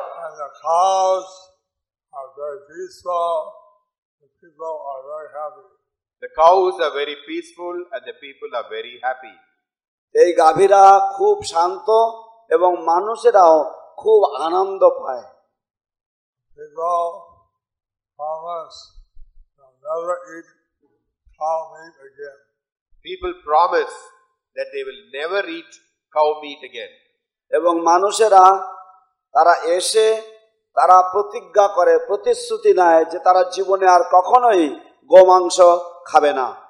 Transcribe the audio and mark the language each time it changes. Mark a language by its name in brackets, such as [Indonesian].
[English] And the cows are very peaceful. The people are very happy. The cows are very peaceful and the people are very happy. [Bangla] এই গাভীরা খুব শান্ত এবং মানুষেরাও খুব আনন্দ পায়. [English] They go, farmers, never eat cow meat again. People promise that they will never eat cow meat again. [Bangla] এবং মানুষেরা তারা এসে তারা প্রতিজ্ঞা করে প্রতিশ্রুতি নেয় যে তারা জীবনে আর কখনোই গোমাংস খাবে না.